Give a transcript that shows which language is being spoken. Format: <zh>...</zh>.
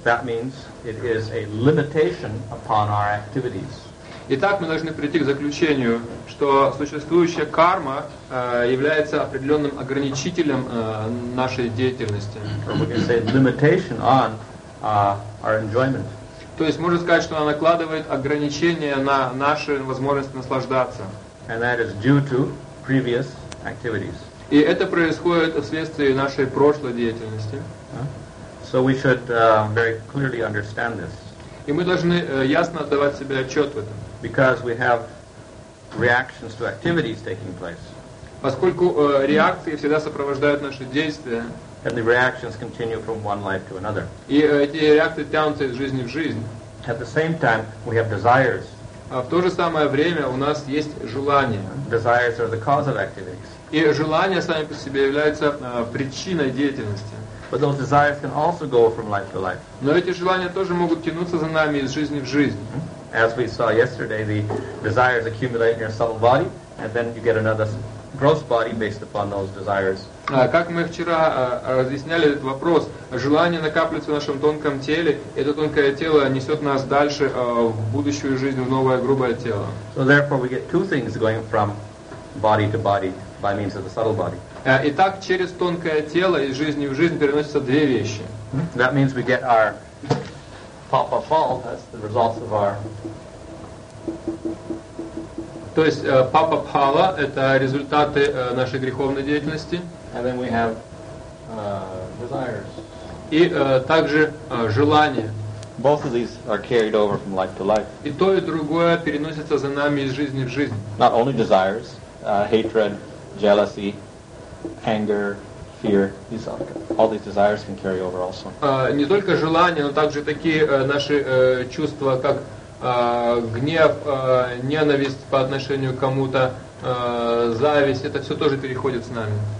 <en>That means it is a limitation upon our activities.</en> <ru>Итак, мы должны прийти к заключению, что существующая карма является определенным ограничителем нашей деятельности.</ru> <en>Limitation on our enjoyment.</en> <ru>То есть можно сказать, что она накладывает ограничения на наши возможности наслаждаться.</ru> <en>And that is due to previous activities.</en> <ru>И это происходит вследствие нашей прошлой деятельности.</ru> <en>So we should very clearly understand this.</en> <ru>И мы должны ясно отдавать себе отчет в этом.</ru> <en>Because we have reactions to activities taking place.</en> <ru>Поскольку реакции всегда сопровождают наши действия.</ru> <en>And the reactions continue from one life to another.</en> <ru>И эти реакции тянутся из жизни в жизнь.</ru> <en>At the same time, we have desires.</en> <ru>В то же самое время у нас есть желания.</ru> <en>Desires are the cause of activities.</en> <ru>И желания сами по себе являются причиной деятельности.</ru> <en>But those desires can also go from life to life.</en> <ru>Но эти желания тоже могут тянуться за нами из жизни в жизнь.</ru> <en>As we saw yesterday, the desires accumulate in your subtle body, and then you get another gross body based upon those desires.</en> <ru>Как мы вчера разъясняли этот вопрос, желание накапливается в нашем тонком теле, это тонкое тело несет нас дальше в будущую жизнь, в новое грубое тело.</ru> <en>So therefore, we get two things going from body to body by means of the subtle body.</en> <ru>Итак, через тонкое тело из жизни в жизнь переносятся две вещи.</ru> <en>That means we get our Papa fall, that's the result of our...</en> <ru>То есть папа пала — это результаты нашей греховной деятельности.</ru> <en>And then we have desires.</en> <ru>И также желания.</ru> <en>Both of these are carried over from life to life.</en> <ru>И то, и другое переносится за нами из жизни в жизнь.</ru> <en>Not only desires, hatred, jealousy, anger, fear, all these desires can carry over also.</en> <ru>Не только желания, но также такие наши чувства, как гнев, ненависть по отношению к кому-то, зависть, это все тоже переходит с нами.</ru>